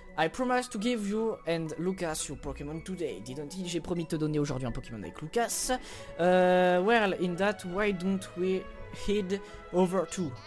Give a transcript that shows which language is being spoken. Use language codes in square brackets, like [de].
[en] I promise to give you and Lucas your Pokémon today. Didn't he? [fr] J'ai promis de te donner aujourd'hui un Pokémon avec Lucas. [en] Well, in that, why don't we head over to?